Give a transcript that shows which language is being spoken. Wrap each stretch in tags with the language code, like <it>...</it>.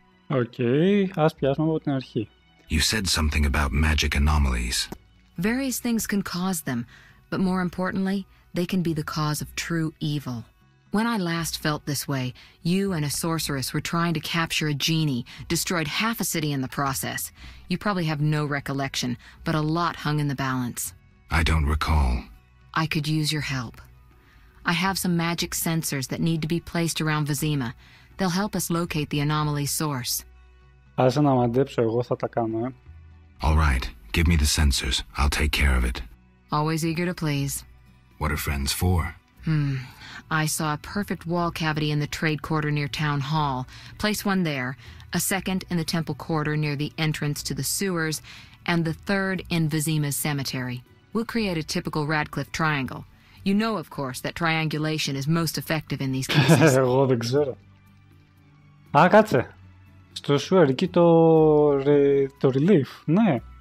<el>Okay, ας πιάσουμε από την αρχή.</el> <en>You said something about magic anomalies. Various things can cause them, but more importantly, they can be the cause of true evil. When I last felt this way, you and a sorceress were trying to capture a genie, destroyed half a city in the process. You probably have no recollection, but a lot hung in the balance. I don't recall. I could use your help. I have some magic sensors that need to be placed around Vizima. They'll help us locate the anomaly source.</en> <el>Άσε να μαντέψω, εγώ θα τα κάνω, ε.</el> <en>All right, give me the sensors. I'll take care of it. Always eager to please. What are friends for? I saw a perfect wall cavity in the trade quarter near Town Hall. Place one there, a second in the temple quarter near the entrance to the sewers, and the third in Vizima's cemetery. We'll create a typical Radcliffe triangle. You know, of course, that triangulation is most effective in these cases.</en> <el>Εγώ δεν ξέρω. Α, κάτσε. Στο σουέρ, εκεί το relief, ναι.</el>